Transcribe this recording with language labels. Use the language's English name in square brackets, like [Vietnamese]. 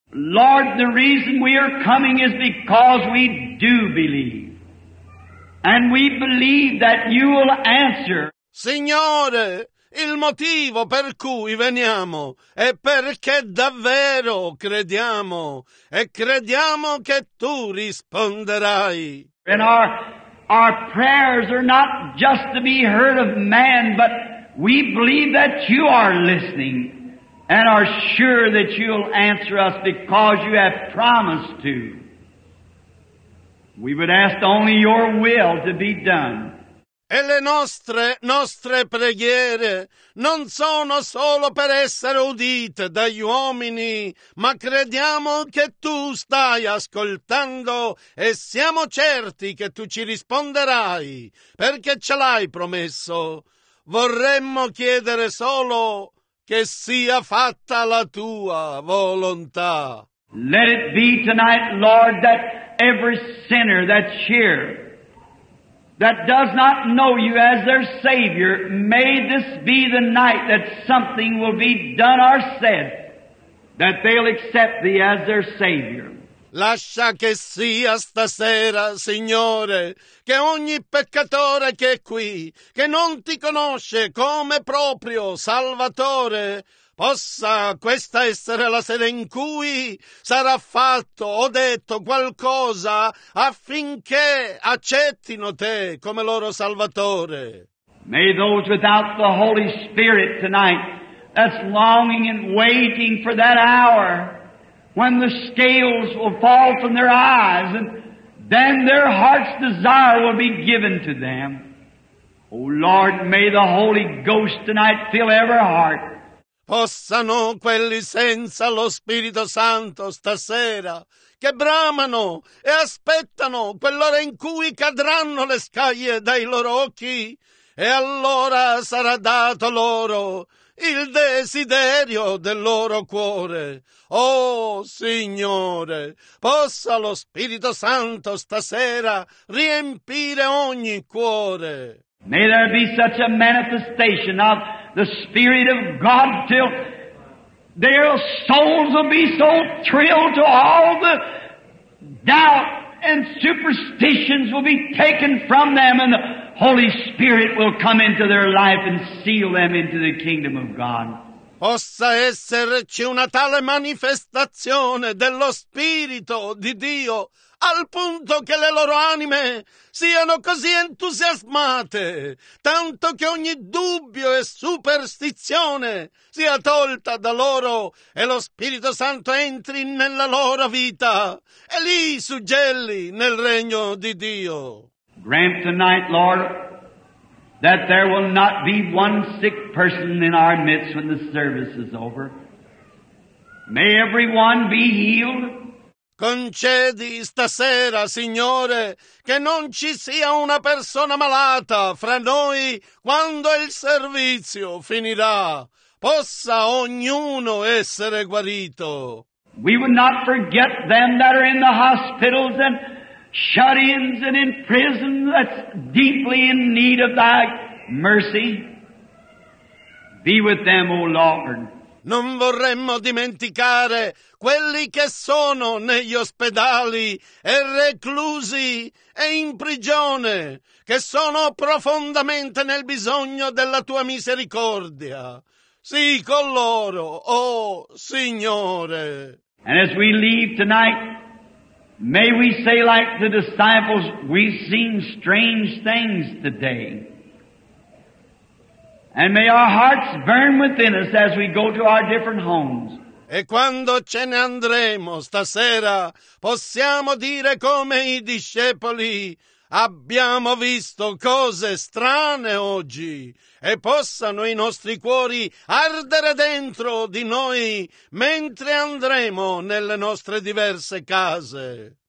[English] Lord, the reason we are coming is because we do believe. And we believe that You will answer. [Italian] Signore, il motivo per cui veniamo è perché davvero crediamo, e crediamo che Tu risponderai. [English] And our prayers are not just to be heard of man, but we believe that You are listening and are sure that You'll answer us because You have promised to. We would ask only Your will to be done. [Italian] E le nostre preghiere non sono solo per essere udite dagli uomini, ma crediamo che Tu stai ascoltando e siamo certi che Tu ci risponderai, perché ce l'hai promesso. Vorremmo chiedere solo che sia fatta la Tua volontà. [English] Let it be tonight, Lord, that every sinner that's here that does not know You as their Savior, may this be the night that something will be done or said that they'll accept Thee as their Savior. [Italian] Lascia che sia stasera, Signore, che ogni peccatore che è qui, che non Ti conosce come proprio Salvatore, possa questa essere la sera in cui sarà fatto o detto qualcosa affinché accettino Te come loro Salvatore. [English] May those without the Holy Spirit tonight, that's longing and waiting for that hour when the scales will fall from their eyes and then their heart's desire will be given to them. O Lord, may the Holy Ghost tonight fill every heart. [Italian] Possano quelli senza lo Spirito Santo stasera, che bramano e aspettano quell'ora in cui cadranno le scaglie dai loro occhi, e allora sarà dato loro il desiderio del loro cuore. Oh Signore, possa lo Spirito Santo stasera riempire ogni cuore. [English] May there be such a manifestation of the Spirit of God till their souls will be so thrilled to all the doubt and superstitions will be taken from them, and the Holy Spirit will come into their life and seal them into the kingdom of God. [Italian] possa esserci una tale manifestazione dello Spirito di Dio, al punto che le loro anime siano così entusiasmate, tanto che ogni dubbio e superstizione sia tolta da loro e lo Spirito Santo entri nella loro vita e li suggelli nel regno di Dio. [English] Grant tonight, Lord, that there will not be one sick person in our midst when the service is over. May everyone be healed. [Italian] Concedi stasera, Signore, che non ci sia una persona malata fra noi quando il servizio finirà. Possa ognuno essere guarito. [English] We would not forget them that are in the hospitals and shut-ins and in prison that's deeply in need of thy mercy. Be with them, O Lord. [Italian] Non vorremmo dimenticare quelli che sono negli ospedali e reclusi e in prigione, che sono profondamente nel bisogno della tua misericordia. Sì, con loro, oh Signore. [English] And as we leave tonight, may we say like the disciples, we've seen strange things today. And may our hearts burn within us as we go to our different homes. [Italian] E quando ce ne andremo stasera, possiamo dire come i discepoli, abbiamo visto cose strane oggi, e possano i nostri cuori ardere dentro di noi mentre andremo nelle nostre diverse case.